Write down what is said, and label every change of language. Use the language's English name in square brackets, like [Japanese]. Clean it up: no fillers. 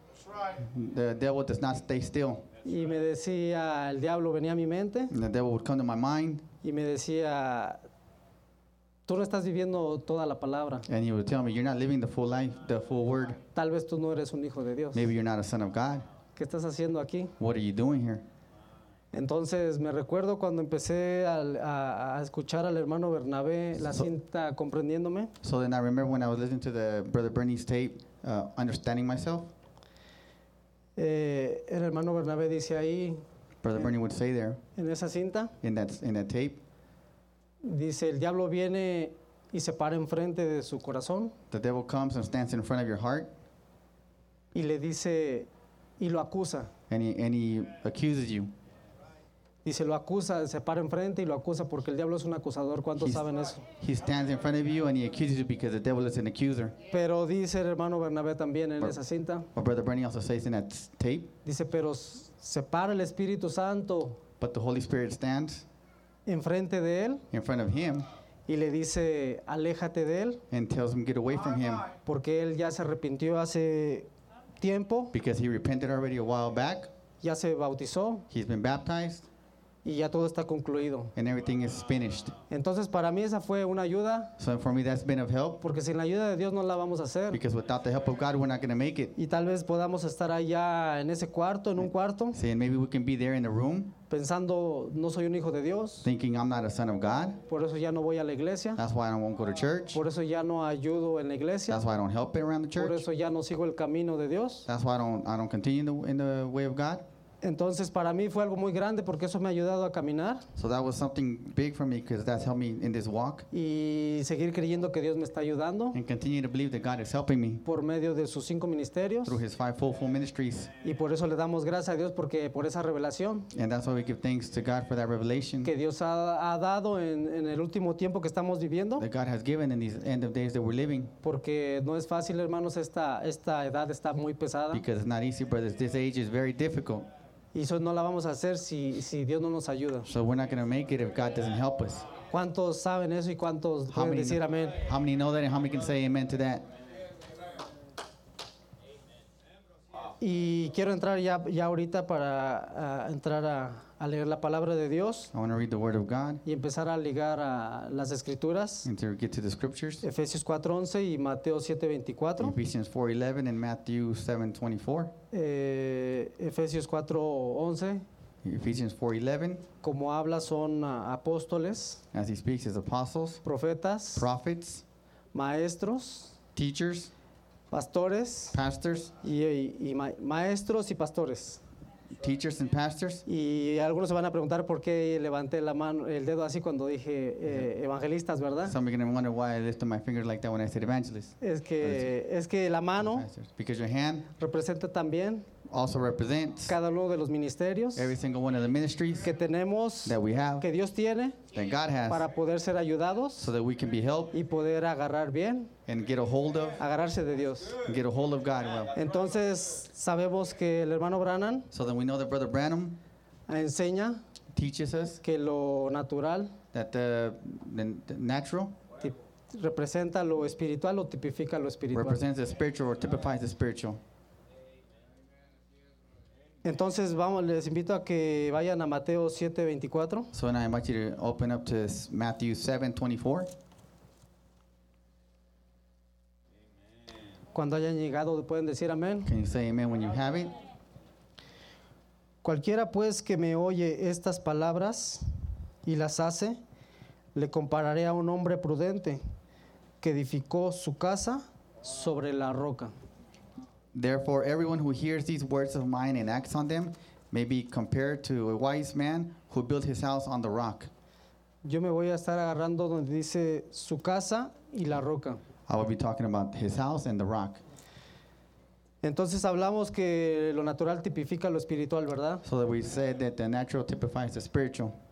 [English] That's right. The devil does not stay still. [Spanish] Y me decía, el diablo venía a mi mente, [English] and the devil would come to my mind, [Spanish] y me decía, tú no estás viviendo toda la palabra. [English] And he would tell me, you're not living the full life, the full word. [Spanish] Tal vez tú no eres un hijo de Dios. [English] Maybe you're not a son of God. [Spanish] ¿Qué estás haciendo aquí? [English] What are you doing here? [Spanish] Entonces me recuerdo cuando empecé a escuchar al hermano Bernabé la cinta comprendiéndome. [English] So then I remember when I was listening to the brother Bernie's tape, understanding myself. [Spanish] El hermano Bernabé dice ahí. [English] Brother Bernie would say there. [Spanish] En esa cinta. [English] In that tape. [Spanish] Dice el diablo viene y se para enfrente de su corazón. [English] The devil comes and stands in front of your heart. [Spanish] Y le dice y lo acusa. [English] And he accuses you. [Spanish] Y se lo acusa, se para enfrente y lo acusa porque el diablo es un acusador. ¿Cuántos saben eso? [English] He stands in front of you and he accuses you because the devil is an accuser. [Spanish] Pero dice el hermano Bernabé también en esa cinta. [English] But brother Bernie also says in that tape. [Spanish] Dice, pero se para el Espíritu Santo. [English] But the Holy Spirit stands. [Spanish] En frente de él. [English] In front of him. [Spanish] Y le dice, aléjate de él. [English] And tells him, get away from him. [Spanish] Porque él ya se arrepintió hace tiempo. [English] Because he repented already a while back. [Spanish] Ya se bautizó. [English] He's been baptized. [Spanish] Y ya todo está concluido. [English] And everything is finished. [Spanish] Entonces para mí esa fue una ayuda. [English] So for me that's been of help. [Spanish] Porque sin la ayuda de Dios no la vamos a hacer. [English] Because without the help of God we're not going to make it. [Spanish] Y tal vez podamos estar allá en ese cuarto, en un cuarto. [English] See, and maybe we can be there in the room. [Spanish] Pensando, no soy un hijo de Dios. [English] Thinking I'm not a son of God. [Spanish] Por eso ya no voy a la iglesia. [English] That's why I won't go to church. [Spanish] Por eso ya no ayudo en la iglesia. [English] That's why I don't help around the church. [Spanish] Por eso ya no sigo el camino de Dios. [English] That's why I don't continue in the way of God. [Spanish] Entonces para mí fue algo muy grande porque eso me ha ayudado a caminar. [English] So that was something big for me because that helped me in this walk. [Spanish] Y seguir creyendo que Dios me está ayudando. [English] And continue to believe that God is helping me. [Spanish] Por medio de sus cinco ministerios. [English] Through his five full ministries. [Spanish] Y por eso le damos gracias a Dios porque por esa revelación. [English] And that's why we give thanks to God for that revelation. [Spanish] Que Dios ha dado en el último tiempo que estamos viviendo. [English] That God has given in these end of days that we're living. [Spanish] Porque no es fácil, hermanos, esta edad está muy pesada. [English] Because it's not easy, brothers. This age is very difficult. [Spanish] Y eso no la vamos a hacer si Dios no nos ayuda. [English] So we're not going to make it if God doesn't help us. [Spanish] ¿Cuántos saben eso y cuántos pueden decir amén? [English] How many know that and how many can say amen to that? [Spanish] Y quiero entrar ya ahorita para entrar a leer la palabra de Dios. [English] I want to read the word of God. [Spanish] Y empezar a ligar a las escrituras. [English] And to get to the scriptures. [Spanish] Efesios 4:11 y Mateo 7:24. [English] Ephesians 4:11 and Matthew 7:24. [Spanish] Efesios 4:11. [English] Ephesians 4:11. [Spanish] Como habla son apóstoles. [English] As he speaks is apostles. [Spanish] Profetas. [English] Prophets. [Spanish] Maestros. [English] Teachers. [Spanish] Pastores. [English] Pastors. [Spanish] Y maestros y pastores. [English] Teachers and pastors. [Spanish] Y algunos se van a preguntar por qué levanté la mano, el dedo así cuando dije evangelistas, ¿verdad? [English] Some are going to wonder why I lifted my finger like that when I said evangelists. [Spanish] Es que la mano. [English] Because your hand. [Spanish] Representa también. [English] Also represents. [Spanish] Cada uno de los ministerios. [English] Every single one of the ministries. [Spanish] Que tenemos. [English] That we have. [Spanish] Que Dios tiene. [English] That God has. [Spanish] Para poder ser ayudados. [English] So that we can be helped. [Spanish] Y poder agarrar bien. [English] And get a hold of. [Spanish] Agarrarse de Dios. [English] And get a hold of God. Well. [Spanish] Entonces sabemos que el hermano Branham. [English] So then we know that Brother Branham. [Spanish] Enseña. [English] Teaches us. [Spanish] Que lo natural. [English] That the natural. [Spanish] Representa lo espiritual o tipifica lo espiritual. [English] Represents the spiritual or typifies the spiritual. [Spanish] Entonces vamos, les invito a que vayan a Mateo 7:24. [English] So now I invite you to open up to Matthew 7:24. [Spanish] Cuando hayan llegado, pueden decir amén. [English] Can you say amen when you have it? [Spanish] Cualquiera pues que me oye estas palabras y las hace, le compararé a un hombre prudente que edificó su casa sobre la roca. [English] Therefore, everyone who hears these words of mine and acts on them may be compared to a wise man who built his house on the rock. [Spanish] Yo me voy a estar agarrando donde dice su casa y la roca. [English] I will be talking about his house and the rock. [Spanish] Entonces hablamos que lo natural tipifica lo espiritual, ¿verdad? [English] So that we said that the natural typifies the spiritual.